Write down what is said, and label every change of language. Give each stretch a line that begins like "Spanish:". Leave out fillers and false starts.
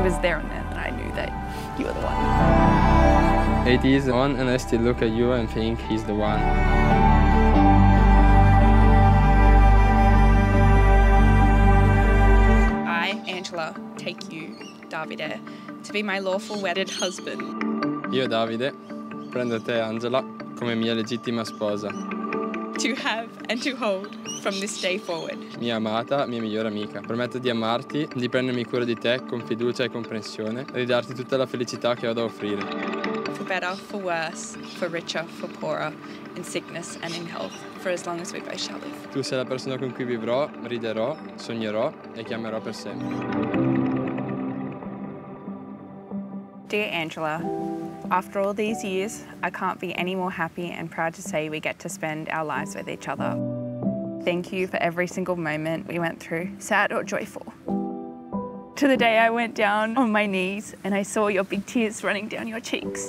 English: It was there and then that I knew that you were the one. 8 years on and I still look at you and think he's the one. Angela, take you, Davide, to be my lawful wedded husband.
Italian: Io, Davide, prendo te, Angela, come mia legittima sposa.
English: To have and to hold from this day forward.
Italian: Mia amata, mia migliore amica. Prometto di amarti, di prendermi cura di te con fiducia e comprensione, e di darti tutta la felicità che ho da offrire.
English: For better, for worse, for richer, for poorer, in sickness and in health, for as long as we both shall live.
Italian: Tu sei la persona con cui vivrò, riderò, sognerò e chiamerò per sempre.
English: Dear Angela, after all these years, I can't be any more happy and proud to say we get to spend our lives with each other. Thank you for every single moment we went through, sad or joyful. To the day I went down on my knees and I saw your big tears running down your cheeks.